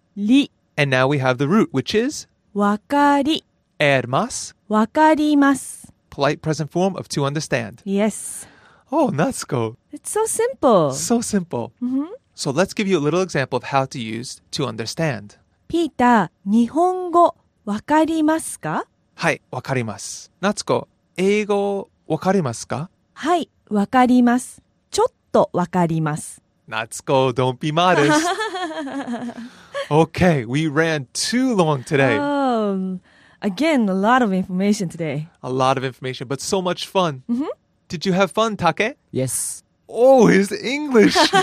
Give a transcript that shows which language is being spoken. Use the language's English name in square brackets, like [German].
[English] li. And now we have the root, which is? [Japanese] Wakari. Ermas. Wakarimasu. [English] Polite present form of to understand. Yes. Oh, Natsuko. It's so simple. So simple. Mm-hmm. So let's give you a little example of how to use to understand. [Japanese] ピーター、日本語わかりますか? はい、わかります。夏子、英語わかりますか? はい、わかります。ちょっとわかります。 [English] 夏子、don't be modest. Okay, we ran too long today. Again, a lot of information today. A lot of information, but so much fun. Mm-hmm. Did you have fun, Take? Yes. Oh, it's English!